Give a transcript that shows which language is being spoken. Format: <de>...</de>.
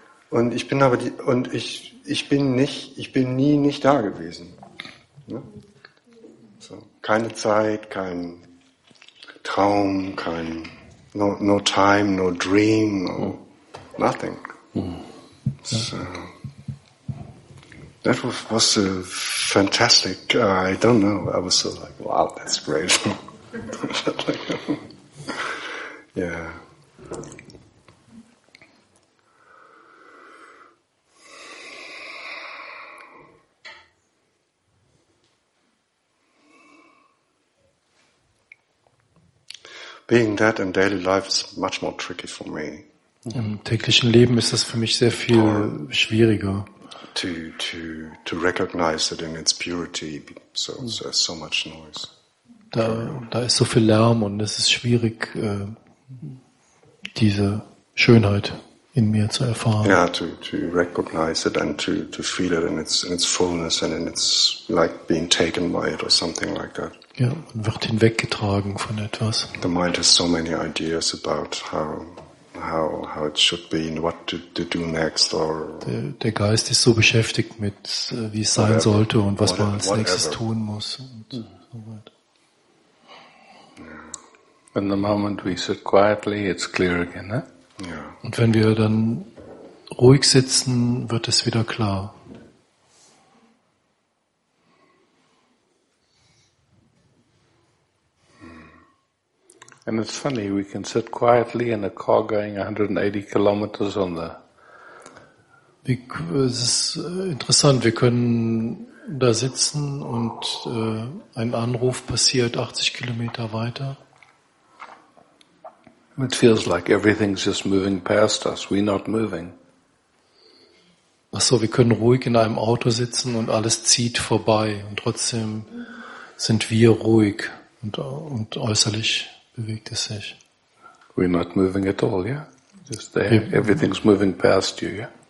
<de>Und ich bin aber die, und ich bin nie da gewesen. Ne? So, keine Zeit, kein Traum, kein</de> <en>no time, no dream, no nothing. So, that was a fantastic, I don't know, I was so like, wow, that's great. Yeah. Being that in daily life is much more tricky for me.</en> <de>Im täglichen Leben ist das für mich sehr viel schwieriger.</de> <en>To recognize it in its purity, so there's so much noise.</en> <de>Da ist so viel Lärm und es ist schwierig, diese Schönheit in mir zu erfahren.</de> <en>Yeah, to recognize it and to feel it in its fullness and in its like being taken by it or something like that.</en> <de>Ja, man wird hinweggetragen von etwas.</de> <en>The mind has so many ideas about how it should be and what to do next or</en> <de>der Geist ist so beschäftigt mit wie es sein sollte und was man als nächstes tun muss und so weiter.</de> <en>And the moment we sit quietly, it's clear again, eh? Yeah.</en> <de>Und wenn wir dann ruhig sitzen, wird es wieder klar.</de> <en>And it's funny, we can sit quietly in a car going 180 kilometers on the.</en> <de>Es ist interessant, wir können da sitzen und ein Anruf passiert 80 Kilometer weiter.</de> <en>It feels like everything's just moving past us, we're not moving.</en> <de>Ach so, wir können ruhig in einem Auto sitzen und alles zieht vorbei und trotzdem sind wir ruhig und äußerlich. Bewegt es sich.</de> <en>We're not moving at all, yeah? Just there. Everything's moving past you, yeah?</en>